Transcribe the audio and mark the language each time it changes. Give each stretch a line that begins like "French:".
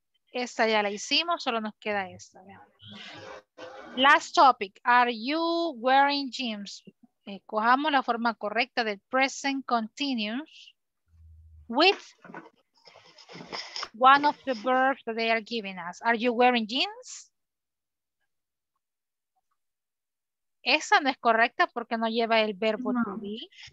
Spanish: Esta ya la hicimos, solo nos queda esta.
English: Last topic, are you wearing jeans?
Spanish: Cojamos la forma correcta del
English: present continuous with one of the verbs that they are giving us. Are you wearing jeans?
Spanish: Esa no es correcta porque no lleva el verbo to be.